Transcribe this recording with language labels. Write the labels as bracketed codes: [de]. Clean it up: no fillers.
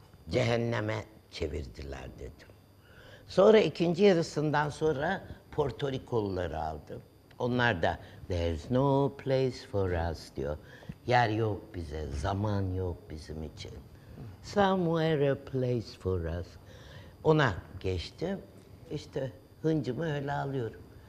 [tr] Cehenneme çevirdiler dedim. Sonra ikinci yarısından sonra Porto Rikolu'ları aldım. Onlar da [en] there's no place for us [tr] diyor. Yer yok bize, zaman yok bizim için. [en] Somewhere a place for us. [tr] Ona geçtim. İşte hıncımı öyle alıyorum.